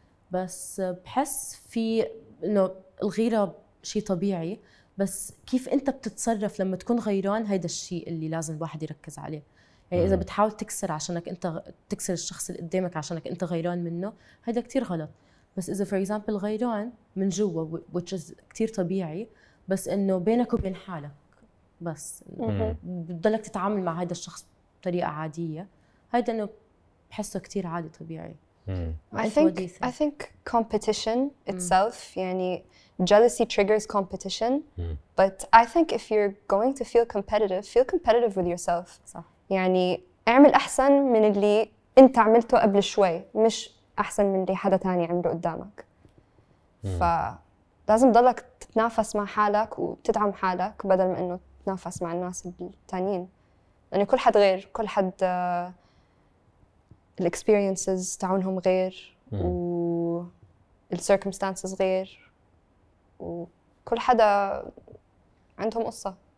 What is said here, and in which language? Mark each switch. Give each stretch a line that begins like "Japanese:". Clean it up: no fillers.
Arabic: بس بحس في إنه الغيرة شيء طبيعي بس كيف أنت بتتصرف لما تكون غيران هيدا الشيء اللي لازم الواحد يركز عليه يعني إذا بتحاول تكسر عشانك أنت تكسر الشخص اللي قدامك عشانك أنت غيران منه هيدا كتير غلط بس إذا
English: for example
Arabic: غيران من جوا
English: which is
Arabic: كتير طبيعي بس إنه بينك وبين حالك بس بتضلك تتعامل مع هذا الشخص بطريقة عادية هذا إنه بحسه كتير عادي طبيعي
English: I think competition itself يعني jealousy triggers competition but I think if you're going to feel competitive with yourself
Arabic: صح. يعني اعمل أحسن من اللي أنت عملته قبل شوي مش أحسن من اللي حدا تاني عنده قدامك فلازم تضلك تتنافس مع حالك وتدعم حالك بدل ما أنه تتنافس مع الناس التانيين لأن كل حد غير كل حد الاكسبيرينسز تعاونهم غير والسيركمستانسز غير وكل حدا عندهم قصة